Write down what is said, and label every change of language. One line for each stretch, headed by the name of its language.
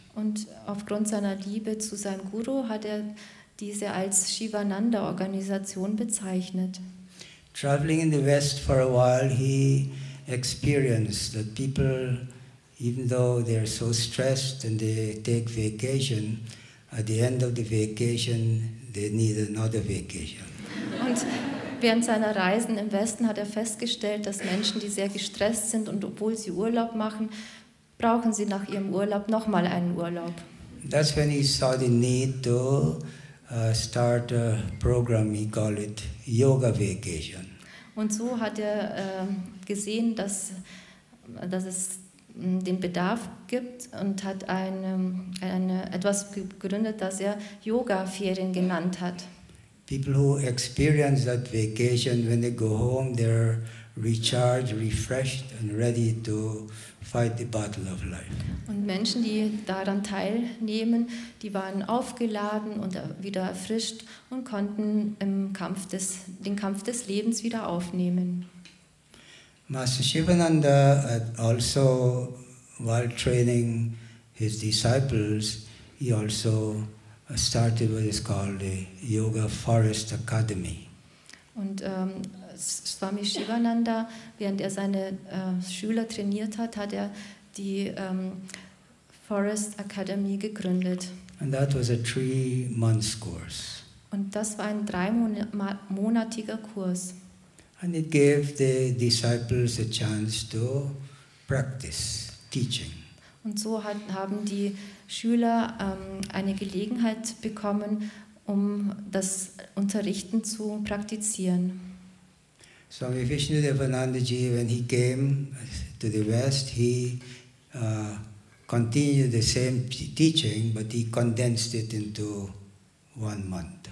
German: Und aufgrund seiner Liebe zu seinem Guru hat diese als Shivananda Organisation bezeichnet.
English: Traveling in the West for a while, he experienced that people, even though they are so stressed and they take vacation, at the end of the vacation, they need another vacation.
German: Während seiner Reisen im Westen hat er festgestellt, dass Menschen, die sehr gestresst sind und obwohl sie Urlaub machen, brauchen sie nach ihrem Urlaub nochmal einen Urlaub.
English: That's when he saw the need to start a program, he called it Yoga Vacation.
German: Und so hat er gesehen, dass es den Bedarf gibt und hat etwas gegründet, das er Yoga-Ferien genannt hat.
English: People who experience that vacation, when they go home, they're recharged, refreshed, and ready to fight the battle of life.
German: Und Menschen, die daran teilnehmen, die waren aufgeladen und wieder erfrischt und konnten den Kampf des Lebens wieder aufnehmen.
English: Master Shivananda also, while training his disciples, he also started what is called the Yoga Forest Academy.
German: Und Swami Shivananda, während er seine Schüler trainiert hat, hat er die Forest Academy gegründet.
English: And that was a 3-month course.
German: Und das war ein 3-monatiger Kurs.
English: And it gave the disciples a chance to practice teaching.
German: Und so haben die Schüler eine Gelegenheit bekommen, um das Unterrichten zu praktizieren.
English: Swami Vishnu Devanandaji, when he came to the West, he continued the same teaching, but he condensed it into 1 month.